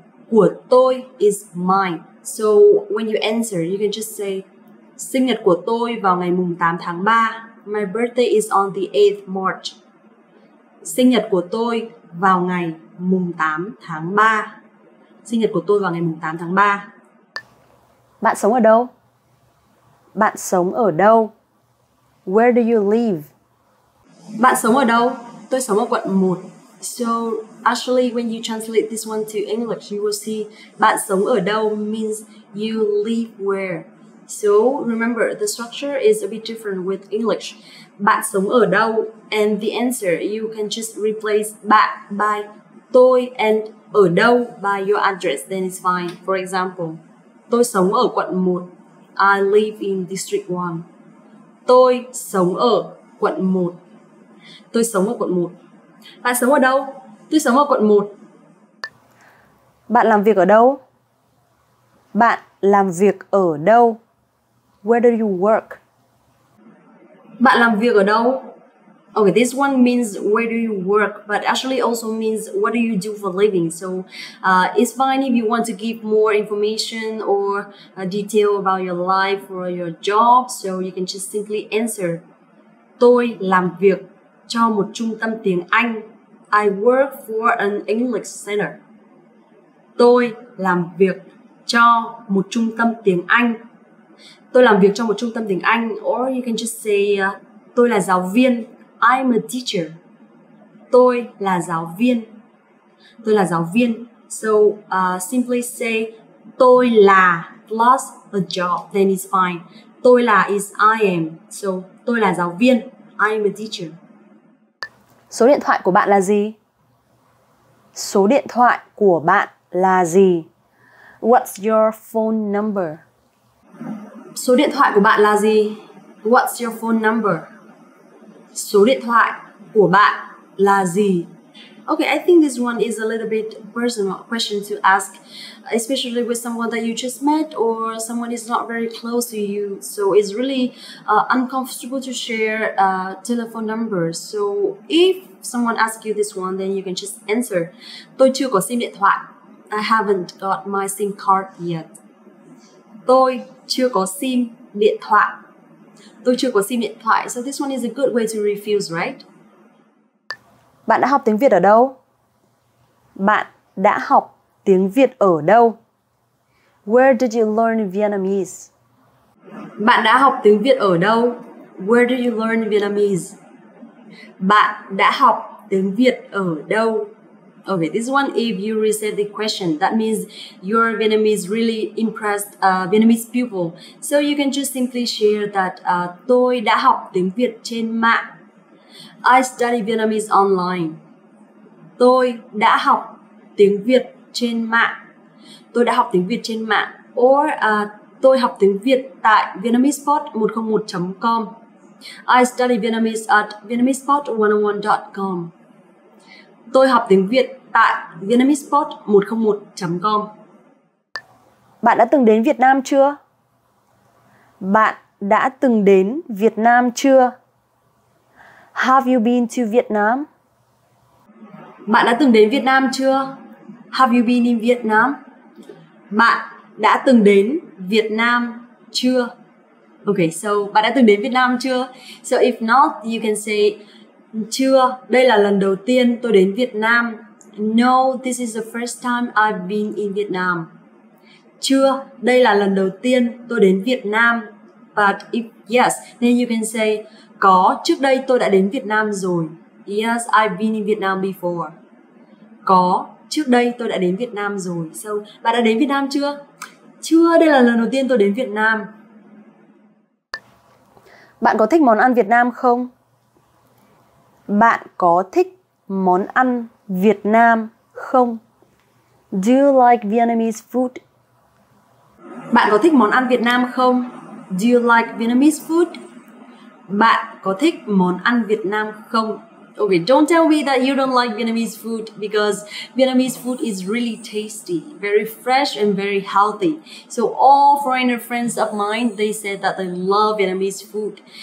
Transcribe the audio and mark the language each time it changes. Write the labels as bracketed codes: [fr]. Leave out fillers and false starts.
[vi] Của tôi [en] is mine. So, when you answer, you can just say [vi] Sinh nhật của tôi vào ngày 8 tháng 3. [en] My birthday is on the 8th March. [vi] Sinh nhật của tôi vào ngày 8 tháng 3. Sinh nhật của tôi vào ngày 8 tháng 3. Bạn sống ở đâu? Bạn sống ở đâu? [en] Where do you live? [vi] Bạn sống ở đâu? Tôi sống ở quận 1. [en] So, actually, when you translate this one to English, you will see bạn sống ở đâu means you live where. So, remember, the structure is a bit different with English. [vi] Bạn sống ở đâu? [en] And the answer, you can just replace bạn by tôi and ở đâu by your address, then it's fine. For example, [vi] tôi sống ở quận 1. [en] I live in district 1. [vi] Tôi sống ở quận 1. Tôi sống ở quận 1. Bạn sống ở đâu? Tôi sống ở quận 1. Bạn làm việc ở đâu? Bạn làm việc ở đâu? [en] Where do you work? [vi] Bạn làm việc ở đâu? [en] Okay, this one means where do you work, but actually also means what do you do for a living. So it's fine if you want to give more information or detail about your life or your job. So you can just simply answer, [vi] tôi làm việc cho một trung tâm tiếng Anh. [en] I work for an English center. [vi] Tôi làm việc cho một trung tâm tiếng Anh. Tôi làm việc cho một trung tâm tiếng Anh. [en] Or you can just say, [vi] tôi là giáo viên. [en] I'm a teacher. [vi] Tôi là giáo viên. Tôi là giáo viên. [en] So simply say tôi là plus a job, then it's fine. Tôi là is I am. So [vi] tôi là giáo viên. [en] I'm a teacher. [vi] Số điện thoại của bạn là gì? Số điện thoại của bạn là gì? [en] What's your phone number? [vi] Số điện thoại của bạn là gì? [en] What's your phone number? [vi] Số điện thoại của bạn là gì? [en] Okay, I think this one is a little bit personal question to ask, especially with someone that you just met or someone is not very close to you. So it's really uncomfortable to share telephone numbers. So if someone asks you this one, then you can just answer, [vi] tôi chưa có sim điện thoại. [en] I haven't got my SIM card yet. [vi] Tôi chưa có sim điện thoại. Tôi chưa có sim điện thoại. [en] So this one is a good way to refuse, right? [vi] Bạn đã học tiếng Việt ở đâu? Bạn đã học tiếng Việt ở đâu? [en] Where did you learn Vietnamese? [vi] Bạn đã học tiếng Việt ở đâu? Where did you learn Vietnamese? Bạn đã học tiếng Việt ở đâu? [en] Okay, this one, if you reset the question, that means your Vietnamese really impressed Vietnamese people. So you can just simply share that [vi] tôi đã học tiếng Việt trên mạng. [en] I study Vietnamese online. [vi] Tôi đã học tiếng Việt trên mạng. Tôi đã học tiếng Việt trên mạng. Or tôi học tiếng Việt tại VietnamesePod101.com. [en] I study Vietnamese at VietnamesePod101.com. [vi] Tôi học tiếng Việt tại VietnamesePod101.com. Bạn đã từng đến Việt Nam chưa? Bạn đã từng đến Việt Nam chưa? [en] Have you been to Vietnam? [vi] Bạn đã từng đến Việt Nam chưa? [en] Have you been in Vietnam? [vi] Bạn đã từng đến Việt Nam chưa? Okay, so bạn đã từng đến Việt Nam chưa? [en] So if not, you can say [vi] chưa, đây là lần đầu tiên tôi đến Việt Nam. [en] No, this is the first time I've been in Vietnam. [vi] Chưa, đây là lần đầu tiên tôi đến Việt Nam. [en] But if yes, then you can say [vi] có, trước đây tôi đã đến Việt Nam rồi. Yes, I've been in Vietnam before. Có, trước đây tôi đã đến Việt Nam rồi. So, bạn đã đến Việt Nam chưa? Chưa, đây là lần đầu tiên tôi đến Việt Nam. Bạn có thích món ăn Việt Nam không? Bạn có thích món ăn Việt Nam không? [en] Do you like Vietnamese food? [vi] Bạn có thích món ăn Việt Nam không? [en] Do you like Vietnamese food? [vi] Bạn có thích món ăn Việt Nam không? [en] Okay, don't tell me that you don't like Vietnamese food, because Vietnamese food is really tasty, very fresh and very healthy. So all foreigner friends of mine, they said that they love Vietnamese food.